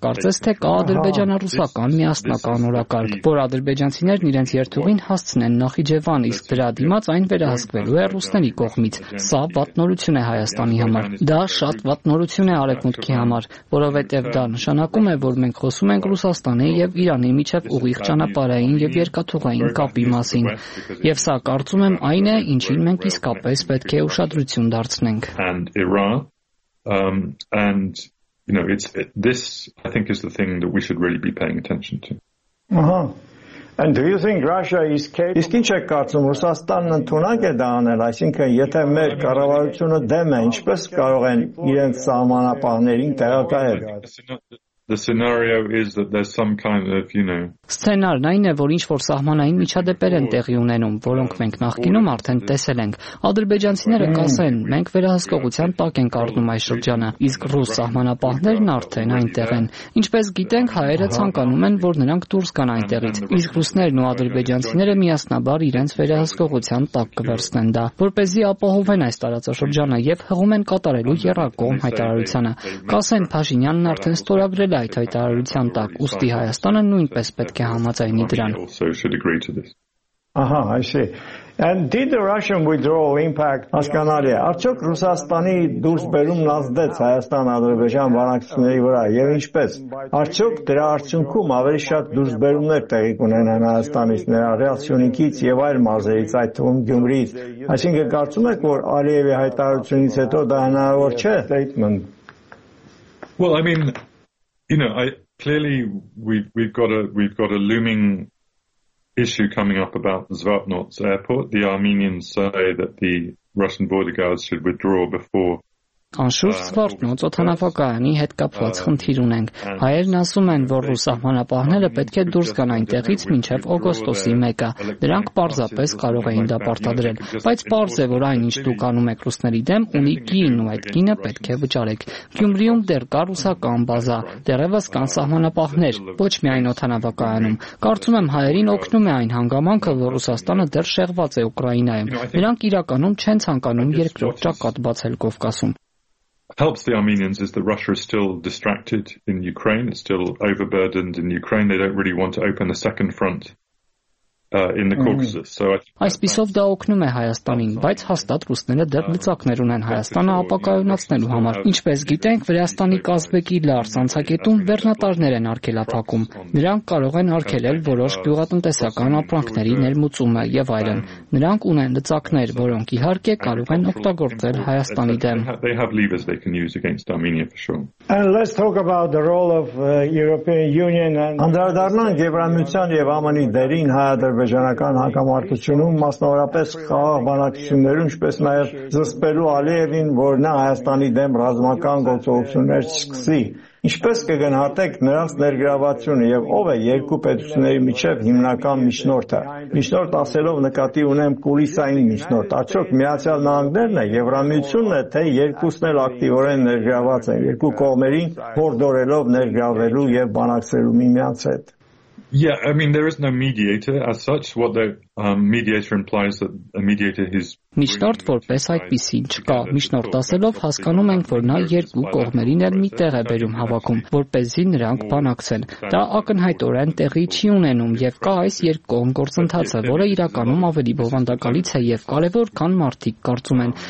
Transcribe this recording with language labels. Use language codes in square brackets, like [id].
[hy] կարծես թե կա ադրբեջանա-ռուսական միասնական օրակարգ, որ ադրբեջանցիներն իրենց երթուղին հասցնեն Նախիջևան, իսկ դրա դիմաց այն վերահսկվելու է ռուսների կողմից։ Սա վատնորություն է Հայաստանի համար։ Դա շատ վատնորություն է Արևմուտքի համար, որովհետև դա նշանակում է, որ մենք խոսում ենք Ռուսաստանի և Իրանի միջև ուղիղ ճանապարհային և երկաթուղային կապի մասին։ Եվ սա, կարծում եմ, այն է, ինչին մենք իսկապես պետք է ուշադրություն դարձնենք։ [en] And you know, this I think is the thing that we should really be paying attention to. And do you think Russia is capable? [hy] Իսկ ինչ եք կարծում, Ռուսաստանն ընդունակ է դա անել, այսինքն եթե մեր կառավարությունը դեմ է, ինչպես կարող են իրենց սահմանապահներին տեղակայել? [en] The scenario is that there's some kind of, you know, [hy] սցենարն այն է, որ ինչ-որ սահմանային միջադեպեր են տեղի ունենում, որոնք մենք նախկինում արդեն տեսել ենք։ Ադրբեջանցիները կասեն, մենք վերահսկողության տակ ենք առնում այս շրջանը, իսկ ռուս սահմանապահներն արդեն այնտեղ են։ Ինչպես գիտենք, հայերը ցանկանում են, որ նրանք դուրս գան այնտեղից, իսկ ռուսներն ու ադրբեջանցիները միասնաբար իրենց վերահսկողության տակ կվերցնեն դա, որպեսզի ապահովեն այս տարածաշրջանը և հղում են կատարելու եռակողմ հայտարարությանը։ Կասեն, Փաշինյանն արդեն ստորագրել է այդ հայտարարության տակ, ուստի Հայաստանը նույնպես պետք է համաձայնի դրան։ [en] And did the Russian withdrawal impact Ասկանալիա? [hy] Արդյոք Ռուսաստանի դուրս բերումն ազդեց Հայաստան-Ադրբեջան բանակցությունների վրա եւ ինչպես? Արդյոք դրա արդյունքում ավելի շատ դուրս բերումներ տեղի կունենան Հայաստանից, ներառյալ եւ այլ մարզերից, այդ թվում Գյումրիից։ Այսինքն կարծում եք, որ Ալիևի հայտարարությունից հետո դա հնարավոր չէ? [en] Well, I mean, you know, we've got a looming issue coming up about Zvartnots airport. The Armenians say that the Russian border guards should withdraw before [hy] Անշուշտ Զվարթնոց օդանավակայանի հետ կապված խնդիր ունենք։ Հայերն ասում են, որ ռուս սահմանապահները պետք է դուրս գան այնտեղից մինչև օգոստոսի 1-ը։ Նրանք պարզապես կարող էին դա պարտադրել, բայց պարզ է, որ այն, ինչ դուք անում եք ռուսների դեմ, ունի գին, ու այդ գինը պետք է վճարեք։ Գյումրիում դեռ կա ռուսական բազա, դեռևս կան սահմանապահներ, ոչ միայն օդանավակայանում։ Կարծում եմ, հայերին օգնում է այն հանգամանքը, որ Ռուսաստանը դեռ շեղված է Ուկրաինայում։ Նրանք իրականում չեն ցանկանում երկրորդ ճակատ բացել Կովկասում։ [en] Helps the Armenians is that Russia is still distracted in Ukraine, it's still overburdened in Ukraine, they don't really want to open a second front in the Caucasus. So [hy] այսպիսով դա օգնում է Հայաստանին, բայց հաստատ ռուսները դեռ լծակներ ունեն Հայաստանը ապակայունացնելու համար։ Ինչպես գիտենք, Վրաստանի Կազմեկի լարս անցակետում վերնատարներ են արգելափակում։ Նրանք կարող են արգելել որոշ գյուղատնտեսական ապրանքների ներմուծումը եւ այլն։ Նրանք ունեն լծակներ, որոնք իհարկե կարող են օգտագործել Հայաստանի դեմ։ [en] And let's talk about the role of European Union and [hy] Անդրադառնանք Եվրամիության եւ ԱՄՆ-ի դերին հայ-ադրբեջանական հակամարտությունում, մասնավորապես խաղաղ բանակցություններում, ինչպես նաեւ զսպելու Ալիևին, որ նա Հայաստանի դեմ ռազմական գործողություններ չսկսի։ Ինչպես կգնահատեք նրանց ներգրավվածությունը եւ ով է երկու պետությունների միջև հիմնական միջնորդը։ Միջնորդ ասելով նկատի ունեմ կուլիսային միջնորդ, արդյոք Միացյալ Նահանգներն է, Եվրամիությունն է, թե երկուսն էլ ակտիվորեն ներգրավված են երկու կողմերին հորդորելով ներգրավելու եւ բանակցելու միմյանց հետ։ [en] Yeah, I mean, there is no mediator as such. What the mediator implies that a mediator is [hy] միջնորդ որպես այդպիսի չկա։ Միջնորդ ասելով հասկանում ենք, որ նա երկու կողմերին էլ մի տեղ է բերում հավաքում, որպեսզի նրանք բանակցեն։ Դա ակնհայտորեն տեղի չի ունենում եւ կա այս երկու կողմ գործընթացը, որը իրականում ավելի բովանդակալից է եւ կարեւոր, քան մարդիկ կարծում են։